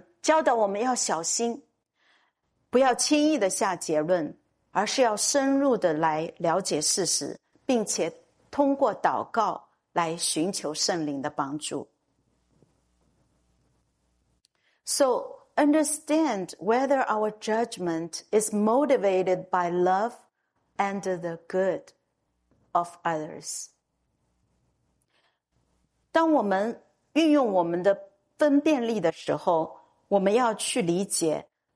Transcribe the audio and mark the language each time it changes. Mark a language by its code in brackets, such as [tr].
[zh] 所以耶稣要教导我们要小心, 不要轻易的下结论, 而是要深入的来了解事实, 并且通过祷告来寻求圣灵的帮助。 [en] So understand whether our judgment is motivated by love and the good of others. [zh] 当我们运用我们的分辨力的时候, 我们要去理解